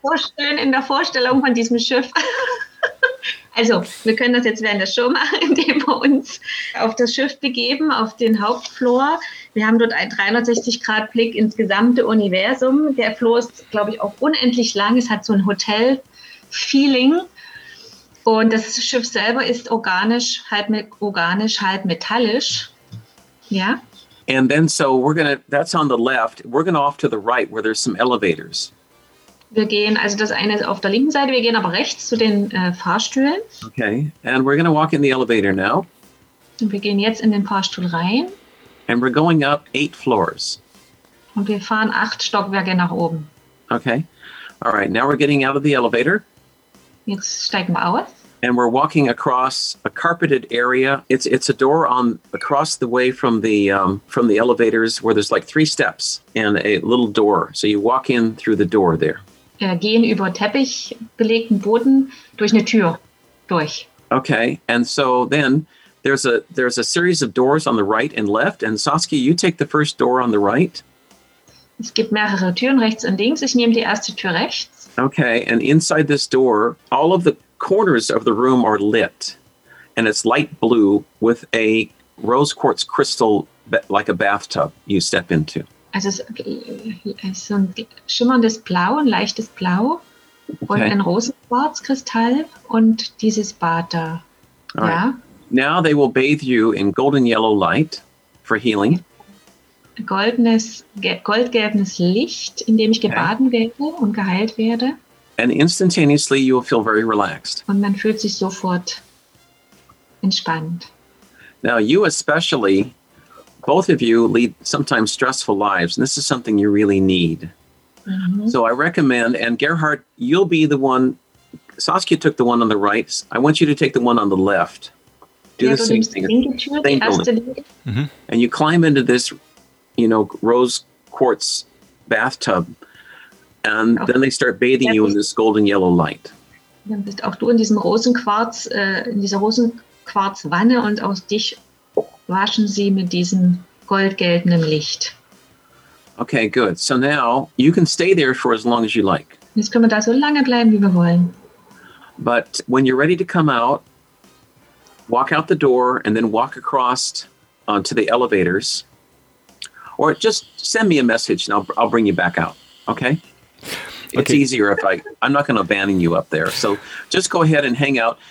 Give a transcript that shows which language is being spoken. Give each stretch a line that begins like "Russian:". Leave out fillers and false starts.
German: So schön in der Vorstellung von diesem Schiff. Also, wir können das jetzt während der Show machen, indem wir uns auf das Schiff begeben, auf den Hauptfloor. Wir haben dort einen 360-Grad-Blick ins gesamte Universum. Der Floor ist, glaube ich, auch unendlich lang. Es hat so ein Hotel-Feeling. Und das Schiff selber ist organisch, halb metallisch. Ja.
English: And then so we're going to, that's on the left. We're going to off to the right where there's some elevators.
German: Wir gehen, also das eine ist auf der linken Seite, wir gehen aber rechts zu den Fahrstühlen.
English: Okay, and we're going to walk in the elevator now.
German: Und wir gehen jetzt in den Fahrstuhl rein.
English: And we're going up 8 floors.
German: Und wir fahren 8 Stockwerke nach oben.
English: Okay, all right, now we're getting out of the elevator.
German: Jetzt steigen wir aus.
English: And we're walking across a carpeted area. It's a door on across the way from the elevators where there's like 3 steps and a little door. So you walk in through the door there.
German: Wir gehen über Teppich belegten Boden durch eine Tür durch.
English: Okay. And so then there's a series of doors on the right and left. And Saskia, you take the first door on the right.
German: Es gibt mehrere Türen rechts und links. Ich nehme die erste Tür rechts.
English: Okay. And inside this door, all of the corners of the room are lit, and it's light blue with a rose quartz crystal, like a bathtub you step into.
German: Also es ist ein schimmerndes Blau, ein leichtes Blau, okay. Und ein Rosenquarzkristall und dieses Bad da.
English: All ja. Right. Now they will bathe you in golden yellow light for healing.
German: Goldgelbes Licht, in dem ich gebaden werde und geheilt werde.
English: And instantaneously, you will feel very relaxed.
German: Und man fühlt sich sofort entspannt.
English: Now, you especially, both of you lead sometimes stressful lives, and this is something you really need. Mm-hmm. So I recommend, and Gerhard, you'll be the one, Saskia took the one on the right. I want you to take the one on the left. Do ja, the same thing. Mm-hmm. And you climb into this, you know, rose quartz bathtub. And okay. Then they start bathing you in this golden yellow light.
German: Dann bist auch du in diesem Rosenquarz, in dieser Rosenquarzwanne und auch dich waschen sie mit diesem goldgelbenen Licht.
English: Okay, good. So now you can stay there for as long as you like.
German: Jetzt können wir da so lange bleiben, wie wir wollen.
English: But when you're ready to come out, walk out the door and then walk across to the elevators. Or just send me a message and I'll bring you back out, okay? It's okay. Easier if I'm not going to abandon you up there. So just go ahead and hang out.